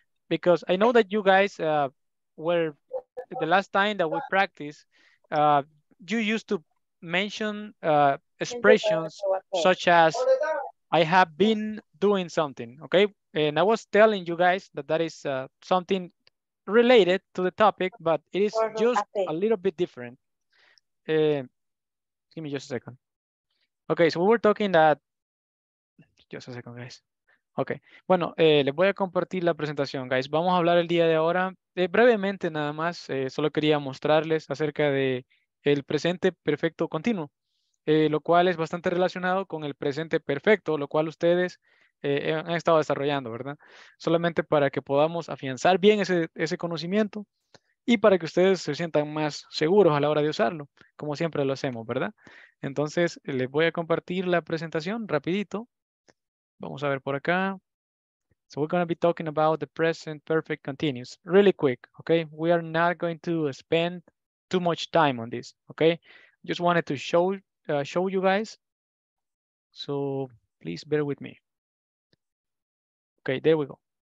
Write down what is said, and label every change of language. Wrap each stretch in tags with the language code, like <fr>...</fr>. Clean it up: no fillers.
<en>Because I know that you guys were, the last time that we practiced, you used to mention expressions such as I have been doing something, okay? And I was telling you guys that is something related to the topic, but it is just a little bit different. Give me just a second. Okay, so we were talking that, just a second, guys.</en> <es>Okay, bueno, les voy a compartir la presentación, guys. Vamos a hablar el día de ahora brevemente nada más. Solo quería mostrarles acerca de el presente perfecto continuo, lo cual es bastante relacionado con el presente perfecto, lo cual ustedes han estado desarrollando, ¿verdad? Solamente para que podamos afianzar bien ese conocimiento y para que ustedes se sientan más seguros a la hora de usarlo, como siempre lo hacemos, ¿verdad? Entonces, les voy a compartir la presentación rapidito. Vamos a ver por acá.</es> <en>So we're going to be talking about the present perfect continuous, really quick, okay? We are not going to spend too much time on this, okay? Just wanted to show you guys. So please bear with me. Okay, there we go.</en>